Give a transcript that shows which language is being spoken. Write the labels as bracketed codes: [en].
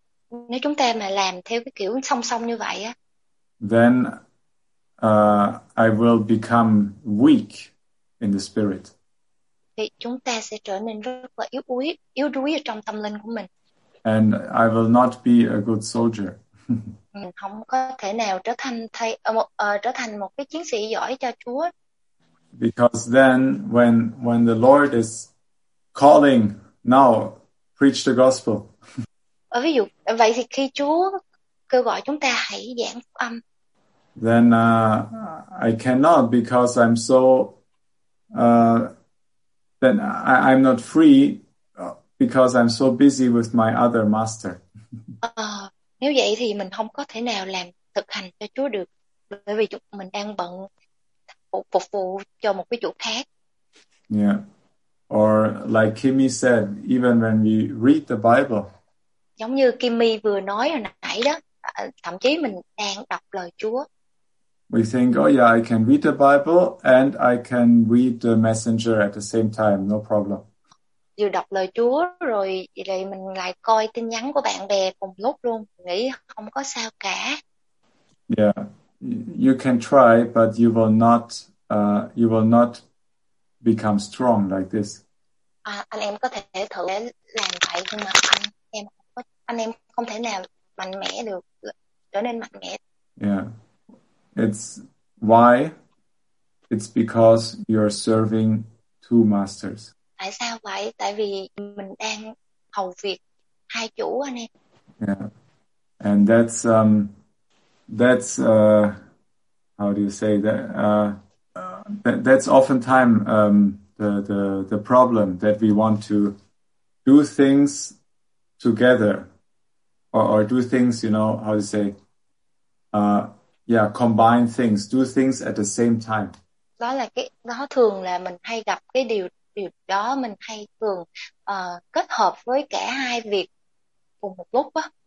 [vi] Nếu chúng ta mà làm theo cái kiểu song song như vậy á, [en] then I will become weak in the spirit. [vi] Thì chúng ta sẽ trở nên rất là yếu đuối trong tâm linh của mình. [en] And I will not be a good soldier. [vi] Mình không có thể nào trở thành một cái chiến sĩ giỏi cho Chúa. [en] Because then when the Lord is calling, now preach the gospel. [vi] Ví dụ vậy thì khi Chúa kêu gọi chúng ta hãy giảng phúc âm. [en] Then I cannot because I'm so then I'm not free because I'm so busy with my other master. [vi] Nếu vậy thì mình không có thể nào làm thực hành cho Chúa được bởi vì mình đang bận phục vụ cho một cái chủ khác. [en] Yeah. Or like Kimmy said, even when we read the Bible. [vi] Giống như Kimmy vừa nói hồi nãy đó, thậm chí mình đang đọc lời Chúa. [en] We think, oh yeah, I can read the Bible and I can read the messenger at the same time, no problem. [vi] Vừa đọc lời Chúa rồi vậy mình lại coi tin nhắn của bạn bè cùng lúc luôn, nghĩ không có sao cả. [en] Yeah. You can try, but you will not become strong like this. [vi] Anh em có thể thử làm vậy nhưng mà anh em không thể nào mạnh mẽ được, trở nên mạnh mẽ. [en] Yeah, it's why? It's because you're serving two masters. [vi] Tại sao vậy? Tại vì mình đang hầu việc hai chủ anh em. [en] Yeah, and that's that's how do you say that? That's oftentimes the problem that we want to do things together or do things, you know, how do you say? Combine things, do things at the same time. [vi] Đó là cái đó thường là mình hay gặp cái điều đó mình hay thường kết hợp với cả hai việc cùng một lúc á.